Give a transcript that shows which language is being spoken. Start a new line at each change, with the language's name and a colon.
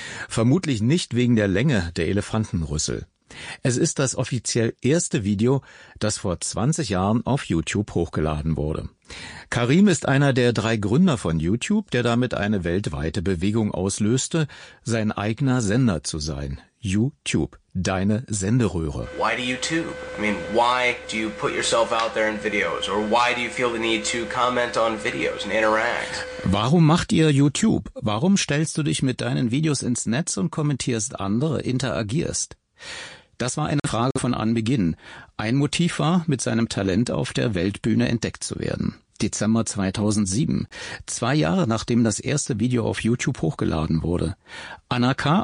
German: Vermutlich nicht wegen der Länge der Elefantenrüssel. Es ist das offiziell erste Video, das vor 20 Jahren auf YouTube hochgeladen wurde. Karim ist einer der drei Gründer von YouTube, der damit eine weltweite Bewegung auslöste, sein eigener Sender zu sein. YouTube, deine Senderöhre.
English: Why do YouTube? I mean, why do you put yourself out there in videos? Or why do you feel the need to comment on videos and interact?
German: Warum macht ihr YouTube? Warum stellst du dich mit deinen Videos ins Netz und kommentierst andere, interagierst? Das war eine Frage von Anbeginn. Ein Motiv war, mit seinem Talent auf der Weltbühne entdeckt zu werden. Dezember 2007, 2 Jahre nachdem das erste Video auf YouTube hochgeladen wurde. Anna K.